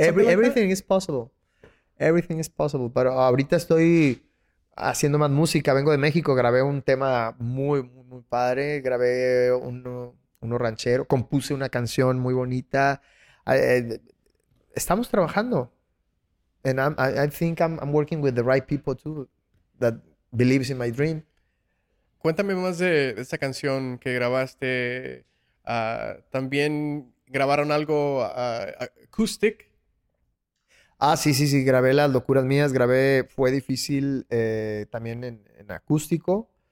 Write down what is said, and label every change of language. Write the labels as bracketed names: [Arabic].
[English] Everything is possible. Everything is possible. [Spanish] Pero ahorita estoy haciendo más música. Vengo de México. Grabé un tema muy muy muy padre. Grabé uno ranchero, compuse una canción muy bonita. Estamos trabajando. [English] And I think I'm working with the right people too that believes in my dream. [Spanish] Cuéntame más de esa canción que grabaste. También grabaron algo acoustic. Ah, sí. Grabé las locuras mías. Grabé, fue difícil también en acústico.